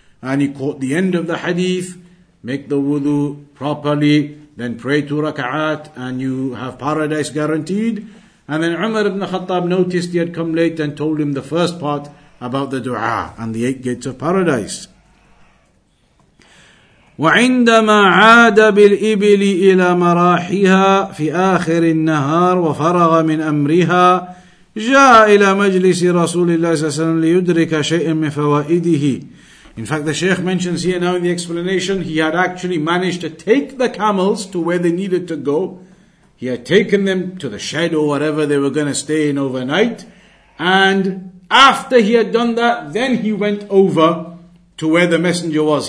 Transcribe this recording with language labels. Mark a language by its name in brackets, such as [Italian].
[English] And he caught the end of the hadith. Make the wudu properly. Then pray 2 raka'at and you have paradise guaranteed. And then Umar ibn Khattab noticed he had come late and told him the first part about the dua and the 8 gates of paradise. [Arabic] وعندما عاد بالإبل إلى مراحها في آخر النهار وفرغ من أمرها جاء إلى مجلس رسول الله صلى الله عليه وسلم ليدرك شيئا من فوائده. [English] In fact, the Shaykh mentions here now in the explanation, he had actually managed to take the camels to where they needed to go. He had taken them to the shed or whatever they were going to stay in overnight. And after he had done that, then he went over to where the messenger was.